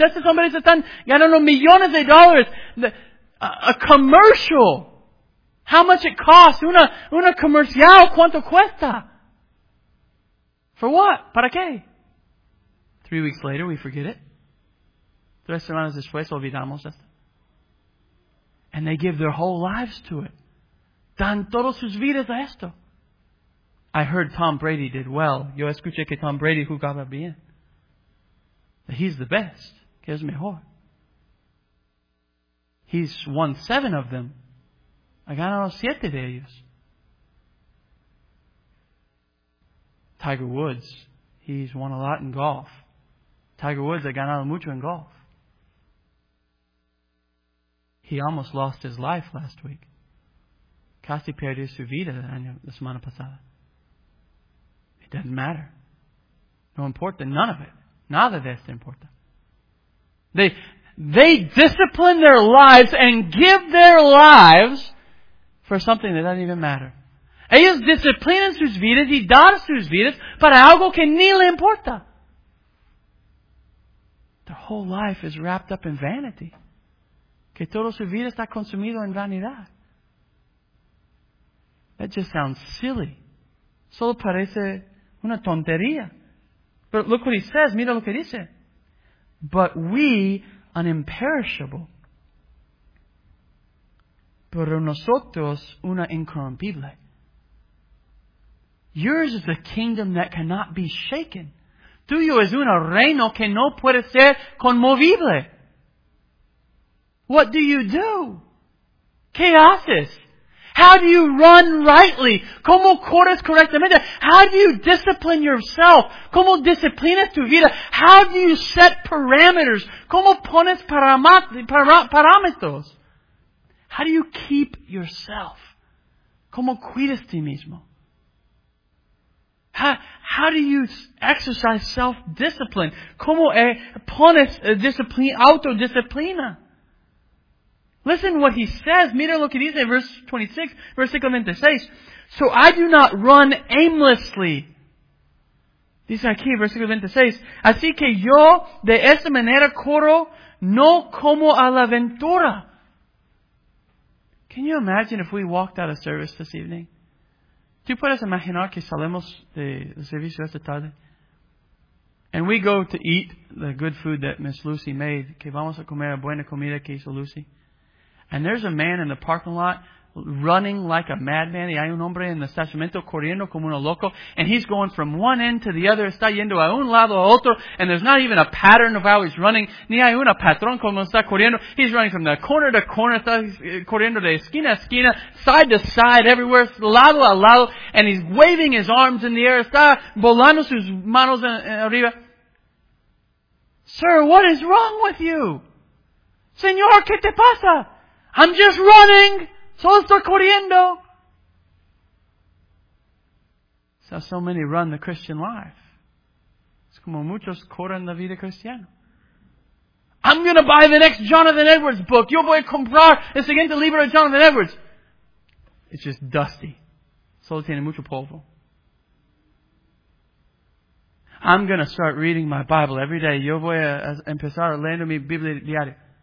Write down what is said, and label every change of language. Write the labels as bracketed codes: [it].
[es] Estos hombres están ganando millones de dólares. [en] A commercial. How much it costs? [es] Una comercial, ¿cuánto cuesta? [en] For what? [es] ¿Para qué? [en] 3 weeks later, we forget it. [es] Tres semanas después, olvidamos esto. [en] And they give their whole lives to it. [es] Dan todos sus vidas a esto. [en] I heard Tom Brady did well. [es] Yo escuché que Tom Brady jugaba bien. [en] That he's the best. [es] Que es mejor. [en] He's won 7 of them. [es] Ha ganado 7 de ellos. [en] Tiger Woods. He's won a lot in golf. Tiger Woods [es] ha ganado mucho [en] in golf. He almost lost his life last week. [es] Casi perdió su vida la semana pasada. [en] It doesn't matter. [es] No importa, [en] none of it. [es] Nada de esto importa. [en] They discipline their lives and give their lives for something that doesn't even matter. [es] Ellos disciplinan sus vidas y dan sus vidas para algo que ni le importa. [en] Their whole life is wrapped up in vanity. [es] Que toda su vida está consumido en vanidad. [en] That just sounds silly. [es] Solo parece una tontería. [en] But look what he says. [es] Mira lo que dice. [en] But we, an imperishable. [es] Pero nosotros, una incorruptible. [en] Yours is a kingdom that cannot be shaken. [es] Tuyo es un reino que no puede ser conmovible. [en] What do you do? [es] ¿Qué haces? [en] How do you run rightly? [es] ¿Cómo corres correctamente? [en] How do you discipline yourself? [es] ¿Cómo disciplinas tu vida? [en] How do you set parameters? [es] ¿Cómo pones parámetros? [en] How do you keep yourself? [es] ¿Cómo cuidas ti mismo? [en] How do you exercise self-discipline? [es] ¿Cómo pones autodisciplina? [en] Listen what he says. [es] Mira lo que dice, versículo 26. [en] So I do not run aimlessly. [es] Dice aquí, versículo 26. Así que yo de esa manera corro no como a la ventura. [en] Can you imagine if we walked out of service this evening? [es] ¿Tú puedes imaginar que salimos del servicio esta tarde? [en] And we go to eat the good food that Miss Lucy made. [es] Que vamos a comer la buena comida que hizo Lucy. [en] And there's a man in the parking lot running like a madman. [es] Y hay un hombre en el estacionamiento corriendo como un loco. [en] And he's going from one end to the other. [es] Está yendo a un lado a otro. [en] And there's not even a pattern of how he's running. [es] Ni hay un patrón como está corriendo. [en] He's running from the corner to corner. [es] Está corriendo de esquina a esquina. [en] Side to side everywhere. [es] Lado a lado. [en] And he's waving his arms in the air. [es] Está volando sus manos arriba. [en] Sir, what is wrong with you? [es] Señor, ¿qué te pasa? [en] I'm just running. [es] Solo estoy corriendo. [en] So many run the Christian life. [es] Es como muchos corren la vida cristiana. [en] I'm going to buy the next Jonathan Edwards book. [es] Yo voy a comprar el siguiente libro de Jonathan Edwards. [en] It's just dusty. [es] Solo tiene mucho polvo. [en] I'm going to start reading my Bible every day. [es] Yo voy a empezar leyendo mi Biblia diaria.